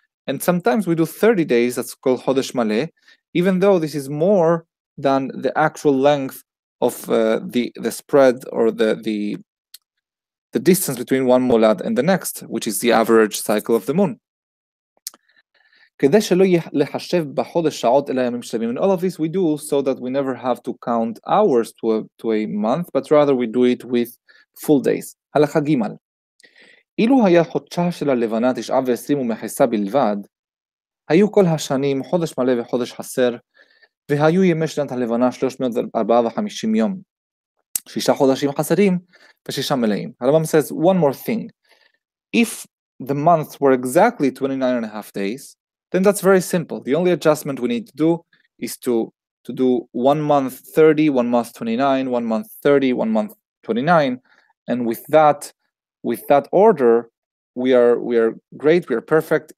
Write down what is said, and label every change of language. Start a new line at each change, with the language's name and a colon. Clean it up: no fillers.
English: And sometimes we do 30 days, that's called Chodesh Maleh, even though this is more than the actual length of the spread or the distance between one Molad and the next, which is the average cycle of the moon.
Hebrew: כדי שלא לחשב בחודש שעות אלא ימים שלמים.
English: And all of this we do so that we never have to count hours to a month, but rather we do it with full days.
Hebrew: הלכה ג' אילו היה חודשה של הלבנה 29 ומחסה בלבד, היו כל השנים חודש מלא וחודש חסר, והיו ימי שנת הלבנה 354 יום. שישה חודשים חסרים ושישה מלאים.
English: הרמב"ם says one more thing. If the month were exactly 29 and a half days, then that's very simple. The only adjustment we need to do is to do 1 month 30, 1 month 29, 1 month 30, 1 month 29, and with that order, we are great, we are perfect.